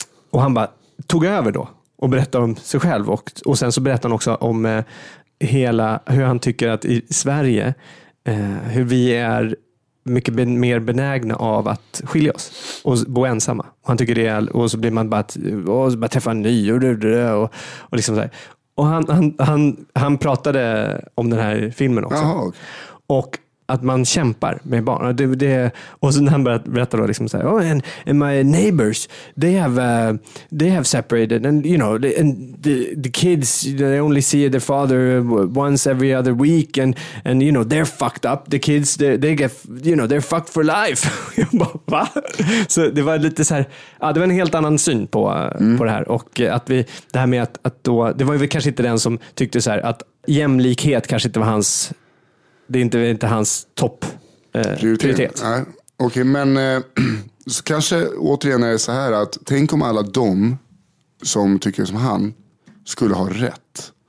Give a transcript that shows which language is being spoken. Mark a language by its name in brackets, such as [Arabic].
[Swedish] Och han bara tog över då och berättade om sig själv. Och sen så berättade han också om hela, hur han tycker att i Sverige, hur vi är mycket mer benägna av att skilja oss och bo ensamma. Och han tycker det är, och så blir man bara träffa en ny och liksom så här. Och han pratade om den här filmen också. Jaha. Och att man kämpar med barn. Det, och så när han berättar då liksom så här, [English] oh, and my neighbors, they have separated, and you know, the kids, they only see their father once every other week, and you know, they're fucked up, the kids, they get, you know, they're fucked for life. [Swedish] Jag bara, va? Så det var lite så här, ja, det var en helt annan syn på det här. Och att vi, det här med att då, det var ju kanske inte den som tyckte så här att jämlikhet kanske inte var hans, det är inte hans topp prioritet. Nej. Okej, men så kanske återigen är det så här att tänk om alla de som tycker som han skulle ha rätt.